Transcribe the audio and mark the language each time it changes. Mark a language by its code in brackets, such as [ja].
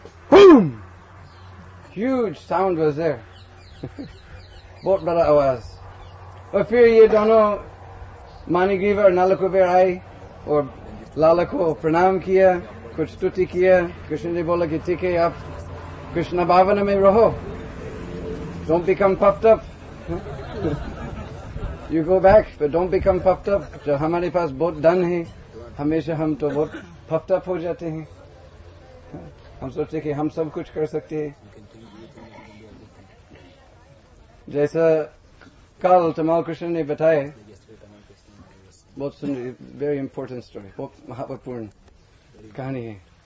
[en] Boom! Huge sound was there. [hi] बहुत बड़ा आवाज. और फिर ये दोनों मानिग्रीव और नालकुबेर आए और लाला को प्रणाम किया, कुछ स्तुति किया. कृष्ण जी बोला कि ठीक है, आप कृष्ण भावना में रहो. [en] Don't become puffed up. You go back, but don't become puffed up. [hi] जो हमारे पास बहुत धन है, हमेशा हम तो बहुत [en] puffed up [hi] हो जाते हैं. हम सोचते कि हम सब कुछ कर सकते हैं. जैसा कल तमाल कृष्ण ने बताया, बहुत सुंदर, [en] very important story, [hi] बहुत महत्वपूर्ण कहानी है.